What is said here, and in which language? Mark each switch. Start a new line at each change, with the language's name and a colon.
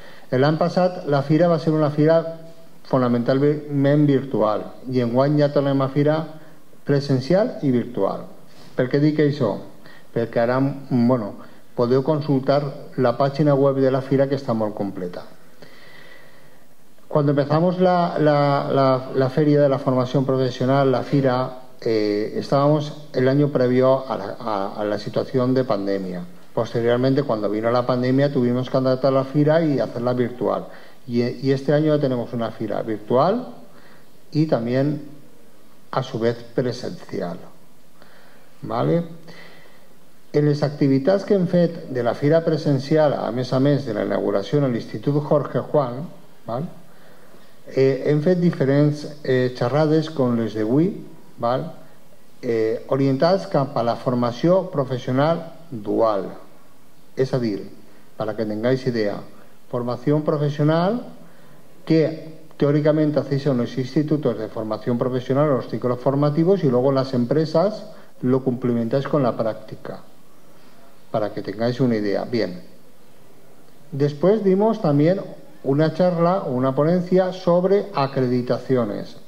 Catalan: L'any passat la fira va ser una fira fonamentalment virtual, i enguany ja tornem a fira presencial i virtual. Per què dic això? Perquè ara, bueno, podeu consultar la pàgina web de la fira, que està molt completa.
Spanish: Quan empezamos la feria de la formació professional, la fira, estábamos el año previo a la situación de pandemia. Posteriormente, cuando vino la pandemia, tuvimos que adaptar la fira y hacerla virtual, y este año tenemos una fira virtual y también a su vez presencial, ¿vale?
Catalan: En les activitats que hem fet de la fira presencial, a més de la inauguració a l'Institut Jorge Juan, ¿vale?, hem fet diferents xerrades com les d'avui, ¿vale?, orientats cap a la formació professional dual. És a dir, perquè tingueu idea, formació professional que teòricament hacéis en els instituts de formació professional, els cicles formatius, i després les empreses
Spanish: lo complementáis con
Catalan: la pràctica,
Spanish: para que tengáis una idea. Bien. Después dimos también una charla, una ponencia sobre acreditaciones.